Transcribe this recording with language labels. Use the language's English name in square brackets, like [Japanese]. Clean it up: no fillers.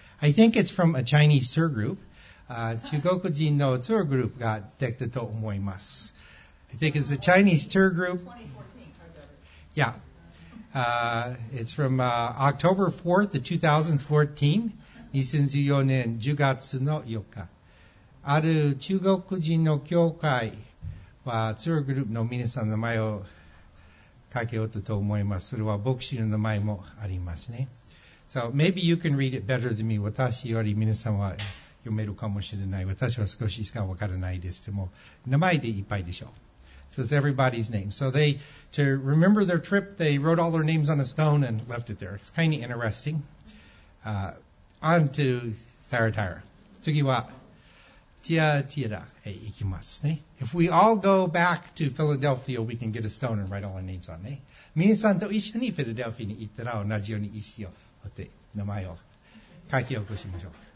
[English] I think it's from a Chinese tour group. [Japanese] 中国人のツアーグループができたと思います。 [English] I think it's a Chinese tour group. 2014, yeah. It's from October 4th of 2014. [Japanese] 2014年10月の4日。ある中国人の教会はツアーグループの皆さんの名前を書けようと思います。それは牧師の名前もありますね。 [English] So maybe you can read it better than me. [Japanese] 私より皆さんは読めるかもしれない。私は少ししかわからないです。でも、名前でいっぱいでしょう。 [English] So it's everybody's name. So they, to remember their trip, they wrote all their names on a stone and left it there. It's kind of interesting. On to Thyatira. [Japanese] 次は、Thyatira へ行きますね。 [English] If we all go back to Philadelphia, we can get a stone and write all our names on it. [Japanese] 皆さんと一緒にフィラデルフィアに行ったら同じように石を掘って名前を書き起こしましょう。